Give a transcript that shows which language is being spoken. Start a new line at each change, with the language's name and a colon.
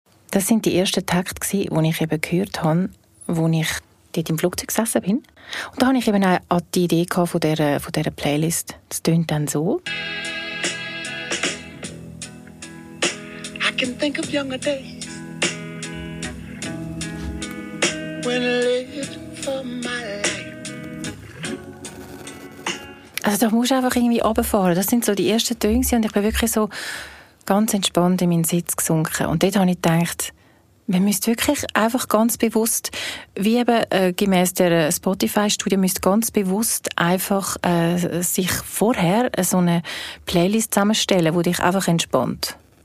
German: Das waren die ersten Texte, die ich eben gehört habe, als ich dort im Flugzeug gesessen bin. Und da hatte ich eben auch die Idee von dieser Playlist. Das klingt dann so.
English: I can think of younger days when I lived for my life.
German: Also da musst du einfach irgendwie runterfahren. Das sind so die ersten Töne und ich bin wirklich so ganz entspannt in meinen Sitz gesunken. Und dort habe ich gedacht, man müsste wirklich einfach ganz bewusst, wie eben gemäss der Spotify-Studie, müsste ganz bewusst einfach sich vorher so eine Playlist zusammenstellen, die dich einfach entspannt.